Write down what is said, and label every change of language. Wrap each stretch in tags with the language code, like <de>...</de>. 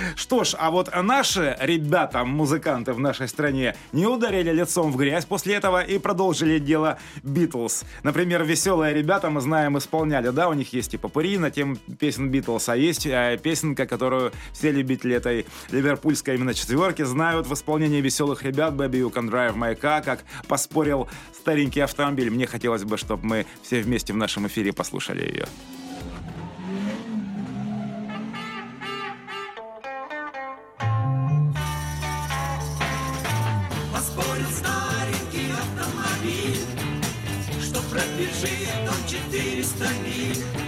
<ru>Что ж, а вот наши ребята, музыканты в нашей стране, не ударили лицом в грязь после этого и продолжили дело Битлз. Например, веселые ребята, мы знаем, исполняли. Да, у них есть и попури на тем песен Битлз. А есть песенка, которую все любители этой ливерпульской именно четверки знают в исполнении веселых ребят.</ru> <en>Baby, you can drive my car,</en> <ru>как поспорил старенький автомобиль. Мне хотелось бы, чтобы мы все вместе в нашем эфире послушали ее. Поспорил старенький автомобиль, что пробежит он 400 миль.</ru>